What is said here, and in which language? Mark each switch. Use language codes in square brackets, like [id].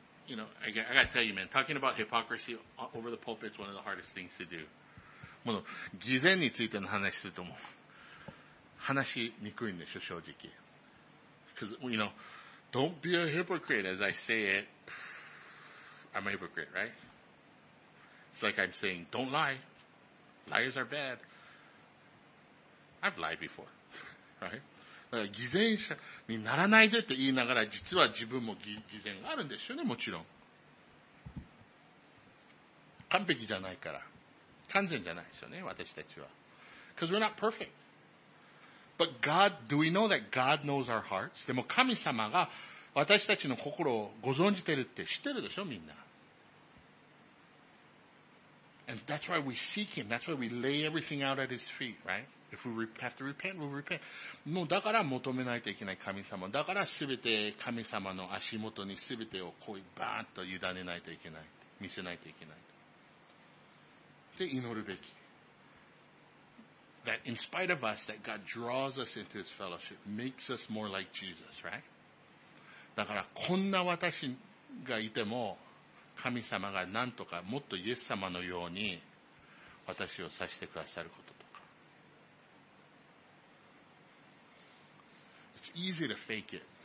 [en] You know, I gotta tell you, man, talking about hypocrisy over the pulpit is one of the hardest things to do. [ja] もう、偽善についての話するとも、話しにくいんでしょ、正直。 [en] Because, you know, don't be a hypocrite as I say it. I'm a hypocrite, right? It's like I'm saying, don't lie. Liars are bad. I've lied before, right? [ja] 偽善者にならないでって言いながら、実は自分も偽善があるんですよね、もちろん。完璧じゃないから。完全じゃないですよね、私たちは。 [en] Because we're not perfect. But God, do we know that God knows our hearts? [ja] でも神様が私たちの心をご存じてるって知ってるでしょ、みんな。 [en] And that's why we seek Him. That's why we lay everything out at His feet, right? If we have to repent, we'll repent. [ja] もうだから求めないといけない神様。だからすべて神様の足元にすべてをこうバーンと委ねないといけない。見せないといけない。で、祈るべき。 [en] That in spite of us, that God draws us into His fellowship, makes us more like Jesus, right? [ja] だからこんな私がいても、神様がなんとかもっとイエス様のように私をさせてくださること。 [en] It's easy to fake it.